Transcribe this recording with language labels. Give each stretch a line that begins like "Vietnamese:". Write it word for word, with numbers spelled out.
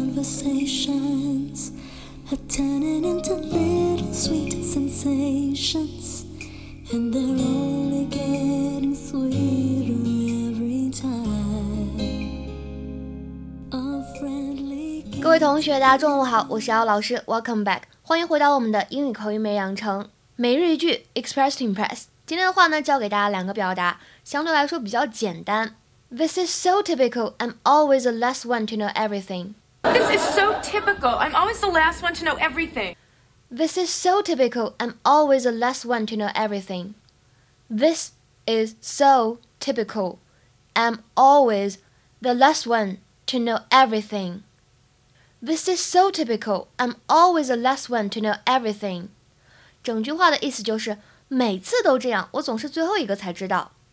English: conversations are turning into little sweet sensations, and they're only getting sweeter every time. A friendly kiss.
Chinese: 各位同学，大家中午好，我是姚老师 ，
English: Welcome back，
Chinese: 欢迎回到我们的英语口语美养成每日一句 Express to Impress。今天的话呢，教给大家两个表达，相对来说比较简单。
English: This is so typical. I'm always the last one to know everything. This is so typical. I'm always the last one to know everything. This is so typical. I'm always the last one to know everything. This is so typical. I'm always the last one to know everything. This is so typical. I'm always the last one to know everything.
Chinese: 整句话的意思就是每次都这样，我总是最后一个才知道。